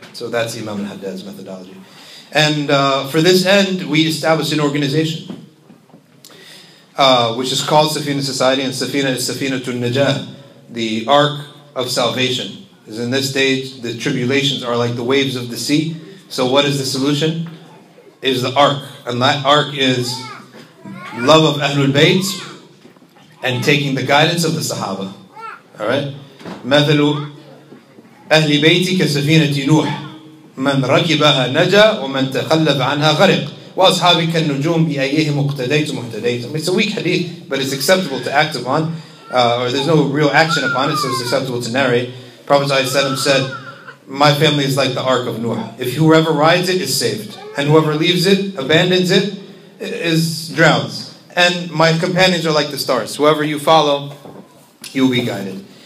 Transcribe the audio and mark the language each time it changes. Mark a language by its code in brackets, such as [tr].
[en] So that's Imam al-Haddad's methodology. And for this end, we established an organization which is called Safina Society, and Safina is Safinatul Najah, the ark of salvation. Because in this stage, the tribulations are like the waves of the sea. So what is the solution? It is the ark. And that ark is love of Ahlul Bayt and taking the guidance of the Sahaba. Alright? [ar] Mathalu أهل بيتي كسفينة نوح من ركبها نجا ومن تخلف عنها غرق وأصحابي كالنجوم بأيهم اقتديت مهتديت. [en] It's a weak hadith, but it's acceptable to act upon, or there's no real action upon it, so it's acceptable to narrate. Prophet ﷺ said, my family is like the ark of Nuh. If whoever rides it is saved, and whoever leaves it, abandons it, is drowns. And my companions are like the stars. Whoever you follow, you'll be guided.